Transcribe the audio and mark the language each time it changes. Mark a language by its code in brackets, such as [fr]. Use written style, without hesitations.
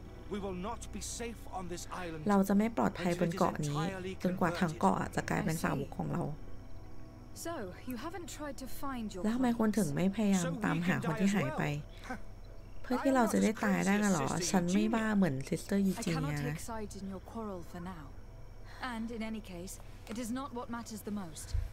[en] We will not be safe on this island. [th] เราจะไม่ปลอดภัยบนเกาะนี้จนกว่าทางเกาะจะกลายเป็นสาวกของเรา [en] So you haven't tried to find your [th] แล้วทำไมคนถึงไม่พยายามตามหาคนที่หายไปเพื่อที่เราจะได้ตายได้น่ะหรอฉันไม่บ้าเหมือนซิสเตอร์ยูจีเนียนะ [en] I cannot take sides in your quarrel for now. And in any case, it is not what matters the most.